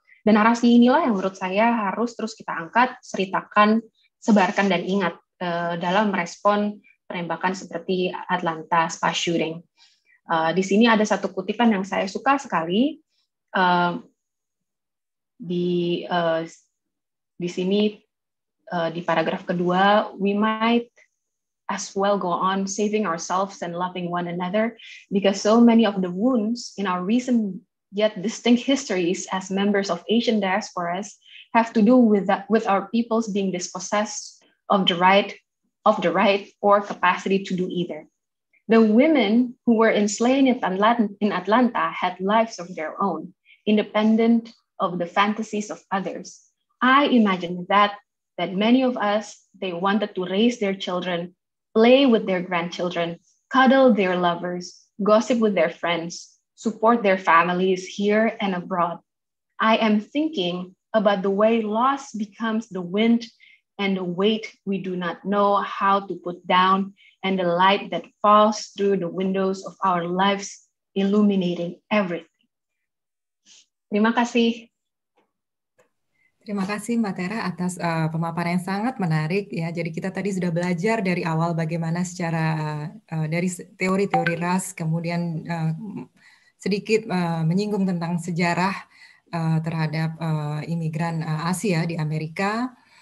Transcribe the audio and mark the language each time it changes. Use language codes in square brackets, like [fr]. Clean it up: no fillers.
[id] Dan narasi inilah yang menurut saya harus terus kita angkat, ceritakan, sebarkan, dan ingat dalam respon penembakan seperti Atlanta spa shooting. Di sini ada satu kutipan yang saya suka sekali. Di sini, di paragraf kedua, [en] we might as well go on saving ourselves and loving one another because so many of the wounds in our recent yet distinct histories as members of Asian diasporas have to do with our peoples being dispossessed of the right or capacity to do either. The women who were enslaved in Atlanta had lives of their own, independent of the fantasies of others. I imagine that many of us, they wanted to raise their children, play with their grandchildren, cuddle their lovers, gossip with their friends, support their families here and abroad. I am thinking about the way loss becomes the wind and the weight we do not know how to put down and the light that falls through the windows of our lives, illuminating everything. [id] Terima kasih. Terima kasih Mbak Tera atas pemaparan yang sangat menarik ya. Jadi kita tadi sudah belajar dari awal bagaimana secara dari teori-teori ras, kemudian sedikit menyinggung tentang sejarah terhadap imigran Asia di Amerika.